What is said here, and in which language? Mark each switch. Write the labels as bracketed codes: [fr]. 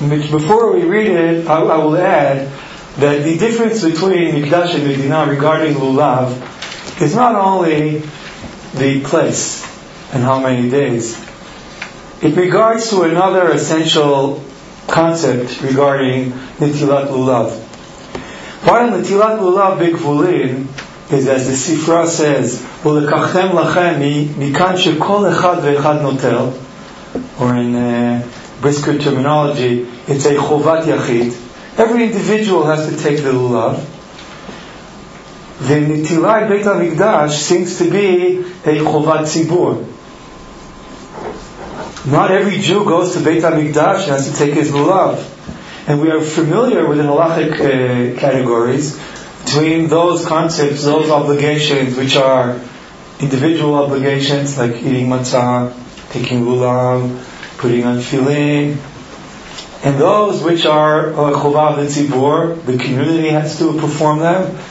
[en] Before we read it, I will add that the difference between Mikdash and Medina regarding Lulav is not only the place and how many days. It regards to another essential concept regarding Netilat Lulav. While Netilat Lulav Bekvulin is, as the Sifra says, [he] ולקחתם לכם מכאן שכל אחד ואחד נוטל, [en] or in brisker terminology, it's a [he] חובת יחיד. [en] Every individual has to take the lulav. [he] ונטילת בית המקדש [en] seems to be a חובת ציבור. Not every Jew goes to Beit HaMikdash and has to take his lulav. And we are familiar with the halachic categories between those concepts, those obligations which are individual obligations like eating matzah, taking lulav, putting on tefillin, and those which are chovah v'tzibur, the community has to perform them.